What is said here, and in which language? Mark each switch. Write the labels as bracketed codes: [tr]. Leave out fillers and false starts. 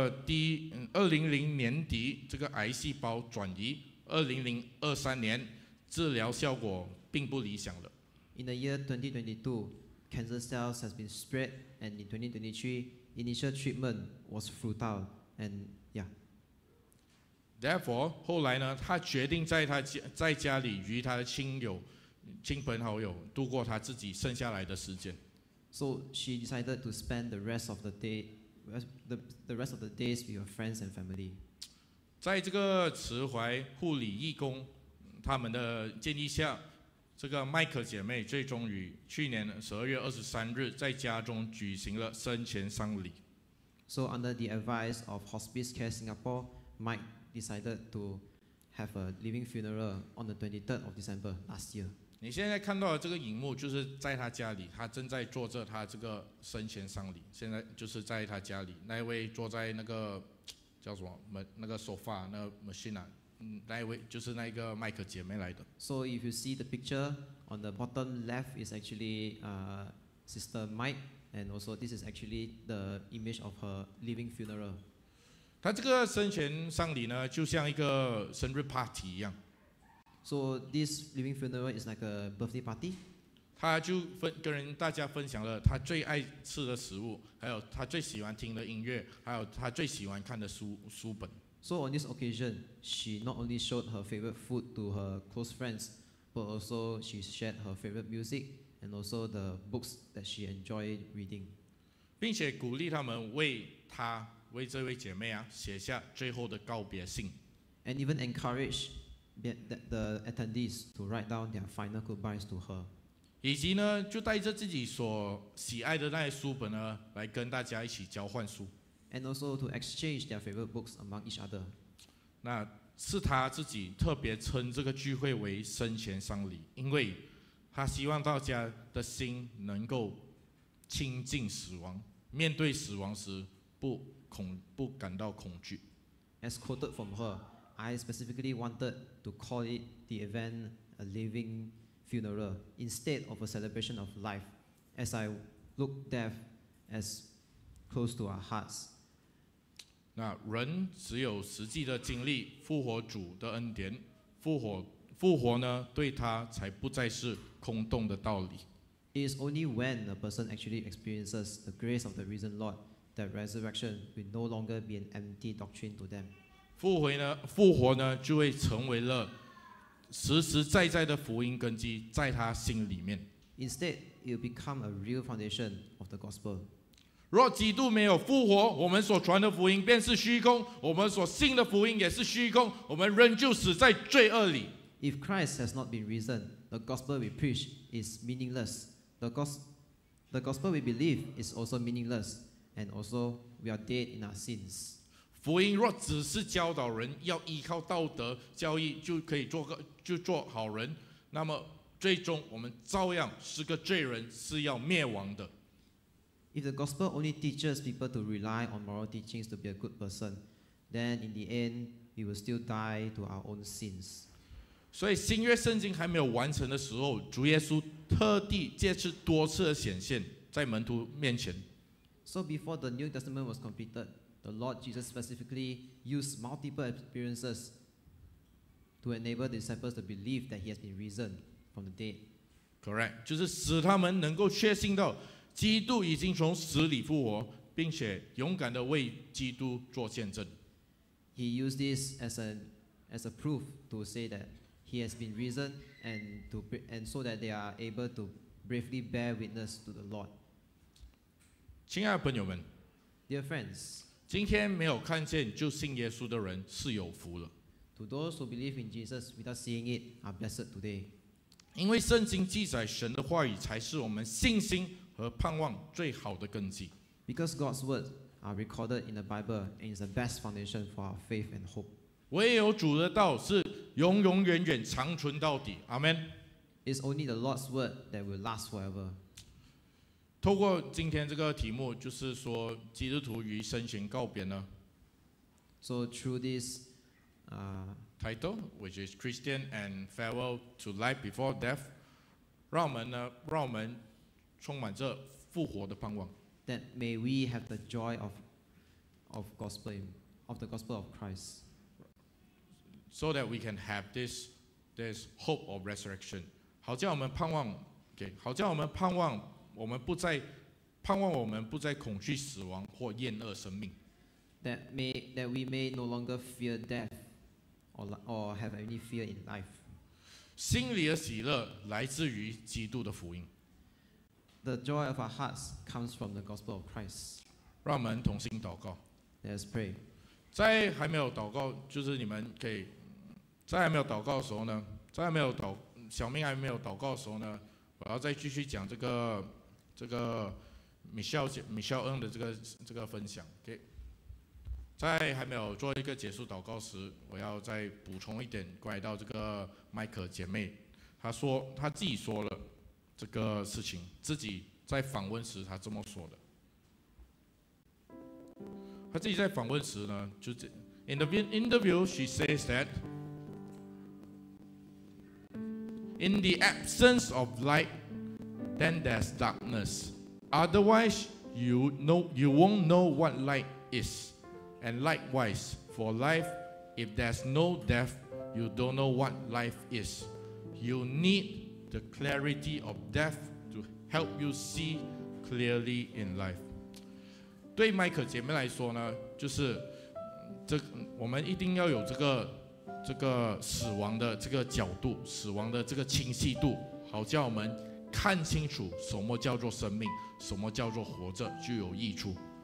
[zh] 2000年底这个癌细胞转移2023年治疗效果并不理想了。 [en] In the year 2022, cancer cells has been spread, and in 2023, initial treatment was futile, and yeah. Therefore, [zh] 后来呢，他决定在家里与他的亲朋好友度过他自己剩下来的时间。 [en] So she decided to spend the rest of the days with her friends and family. [zh] 在这个慈怀护理义工他们的建议下，这个麦克姐妹最终于去年12月23日在家中举行了生前丧礼。 [en] So under the advice of Hospice Care Singapore, Mike. Decided to have a living funeral on the 23rd of December last year. [zh] 你现在看到的这个荧幕就是在他家里，他正在做着他这个生前丧礼。现在就是在他家里，那位坐在那个叫什么那个 sofa 那个 machine 啊，那位就是那个麦克姐妹来的。 [en] So if you see the picture on the bottom left is actually Sister Mike, and also this is actually the image of her living funeral. [zh] 他这个生前丧礼呢，就像一个生日 party 一样。 [en] So this living funeral is like a birthday party. [zh] 他就跟大家分享了他最爱吃的食物，还有他最喜欢听的音乐，还有他最喜欢看的书本。 [en] So on this occasion, she not only showed her favorite food to her close friends, but also she shared her favorite music and also the books that she enjoyed reading. [zh] 并且鼓励他们为他。为这位姐妹啊写下最后的告别信 [en] ，and even encourage the attendees to write down their final goodbyes to her， [zh] 以及呢就带着自己所喜爱的那些书本呢来跟大家一起交换书 [en] ，and also to exchange their favorite books among each other。 [zh] 那是他自己特别称这个聚会为生前丧礼，因为他希望大家的心能够亲近死亡，面对死亡时不感到恐惧。 [en] As quoted from her, I specifically wanted to call it the event a living funeral instead of a celebration of life, as I look death as close to our hearts. [zh] 那人只有实际的经历复活主的恩典，复活呢，对他才不再是空洞的道理。 [en] It is only when a person actually experiences the grace of the risen Lord that resurrection will no longer be an empty doctrine to them. [zh] 复活呢，就会成为了实实在在的福音根基，在他心里面。 [en] Instead, it will become a real foundation of the gospel. [zh] 若基督没有复活，我们所传的福音便是虚空，我们所信的福音也是虚空，我们仍旧死在罪恶里。 [en] If Christ has not been risen, the gospel we preach is meaningless. The gospel we believe is also meaningless, and also we are dead in our sins. [zh] 福音若只是教导人要依靠道德教义就可以做好人，那么最终我们照样是个罪人，是要灭亡的。 [en] If the gospel only teaches people to rely on moral teachings to be a good person, then in the end we will still die to our own sins. [zh] 所以新约圣经还没有完成的时候，主耶稣特地借此多次的显现在门徒面前。 [en] So before the New Testament was completed, the Lord Jesus specifically used multiple appearances to enable the disciples to believe that he has been risen from the dead. Correct, [zh] 就是使他们能够确信到基督已经从死里复活，并且勇敢地为基督做见证。 [en] He used this as a proof to say that. He has been risen, and so that they are able to bravely bear witness to the Lord. [zh] 亲爱的朋友们 [en] ，Dear friends, [zh] 今天没有看见就信耶稣的人是有福了。 [en] To those who believe in Jesus without seeing it are blessed today. [zh] 因为圣经记载神的话语才是我们信心和盼望最好的根基。 [en] Because God's words are recorded in the Bible and is the best foundation for our faith and hope. [zh] 唯有主的道是。永永远远长存到底，阿门。 [en] It's only the Lord's word that will last forever. [zh] 透过今天这个题目，就是说基督徒与生前告别呢。 [en] So through this, title, which is Christian and farewell to life before death, [zh] 让我们充满着复活的盼望。 [en] That may we have the joy of gospel of the gospel of Christ. So that we can have this hope of resurrection. [zh] 好叫我们盼望 [en] okay, [zh] 好叫我们盼望我们不再盼望我们不再恐惧死亡或厌恶生命 [en] that we may no longer fear death or have any fear in life. [zh] 心里的喜乐来自于基督的福音 [en] The joy of our hearts comes from the gospel of Christ. [zh] 让我们同心祷告 [en] Let us pray. [zh] 在还没有祷告，就是你们可以在还没有祷告的时候呢，在还没有祷小明还没有祷告的时候呢，我要再继续讲这个 Michelle 恩的这个分享。 [en] Okay. [zh] 在还没有做一个结束祷告时，我要再补充一点关于到这个麦克姐妹，她说她自己说了这个事情，自己在访问时她这么说的。他自己在访问时呢，就是 [en] interview, she says that in the absence of light, then there's darkness. Otherwise, you won't know what light is. And likewise, for life, if there's no death, you don't know what life is. You need the clarity of death to help you see clearly in life. [zh] 对麦克姐妹来说呢，就是这我们一定要有这个死亡的这个角度，死亡的这个清晰度，好叫我们看清楚什么叫做生命，什么叫做活着就有益处。